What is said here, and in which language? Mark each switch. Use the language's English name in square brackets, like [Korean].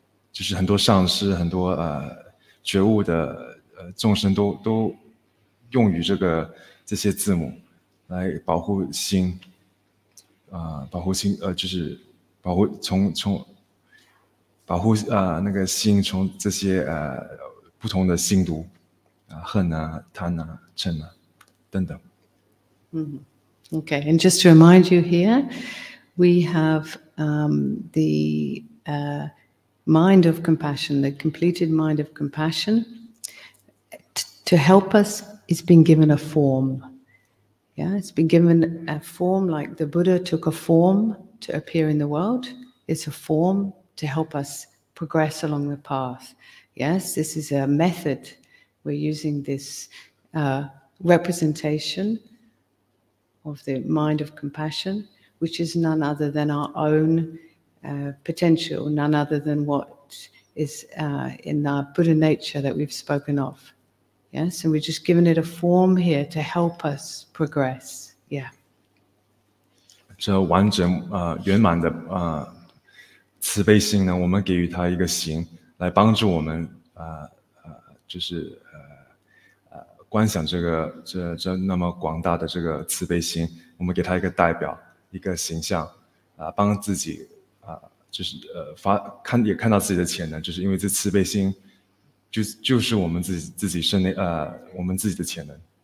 [Chinese] 就是很多上师，很多觉悟的众生都用于这些字母来保护心，保护心就是保护从保护那个心从这些不同的心毒恨啊贪啊嗔啊等等。嗯。 [English] Okay, and just to remind you here, we have mind of compassion, the completed mind of compassion, to help us. It's been given a form. Yeah, it's been given a form like the Buddha took a form to appear in the world. It's a form to help us progress along the path. Yes, this is a method. We're using this representation. Of the mind of compassion, which is none other than our own potential, none other than what is in our Buddha nature that we've spoken of. Yes, and we're just given it a form here to help us progress. Yeah. [Chinese] 这完整圆满的慈悲心呢，我们给予它一个形，来帮助我们就是。观想这那么广大的这个慈悲心，我们给他一个代表，一个形象，帮自己就是也看到自己的潜能，就是因为这慈悲心就是我们自己身内我们自己的潜能。